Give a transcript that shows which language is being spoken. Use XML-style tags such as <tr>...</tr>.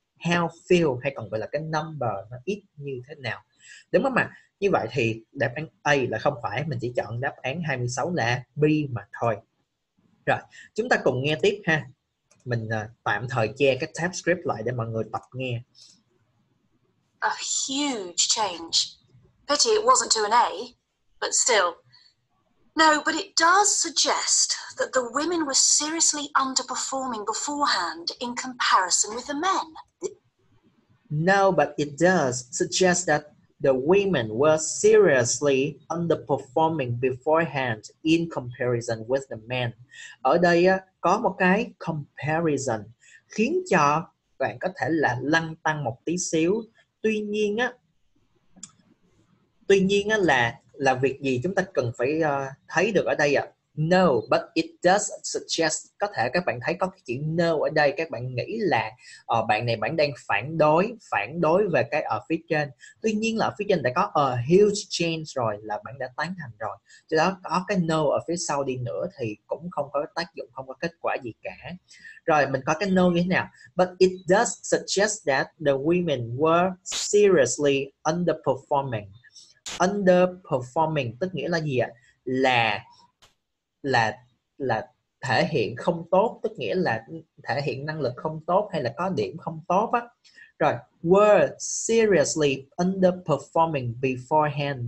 <vi>How few, hay còn gọi là cái number, nó ít như thế nào. Đúng không ạ? Như vậy thì đáp án A là không phải, mình chỉ chọn đáp án 26 là B mà thôi. Rồi, chúng ta cùng nghe tiếp ha. Mình tạm thời che cái tab script lại để mọi người tập nghe.</vi> <en>A huge change. Pity it wasn't to an A, but still. No, but it does suggest that the women were seriously underperforming beforehand in comparison with the men. No, but it does suggest that the women were seriously underperforming beforehand in comparison with the men.</en> <vi>Ở đây có một cái comparison khiến cho bạn có thể là lăn tăn một tí xíu. Tuy nhiên là việc gì chúng ta cần phải thấy được ở đây ạ? No, but it does suggest. Có thể các bạn thấy có cái chữ no ở đây, các bạn nghĩ là bạn đang phản đối về cái ở phía trên. Tuy nhiên là ở phía trên đã có a huge change rồi, là bạn đã tán thành rồi. Cho đó có cái no ở phía sau đi nữa thì cũng không có tác dụng, không có kết quả gì cả. Rồi mình có cái no như thế nào?</vi> <en>But it does suggest that the women were seriously underperforming.</en> <vi>Underperforming tức nghĩa là gì ạ? Là thể hiện không tốt, tức nghĩa là thể hiện năng lực không tốt hay là có điểm không tốt á.</vi> <en>Rồi, were seriously underperforming beforehand.</en>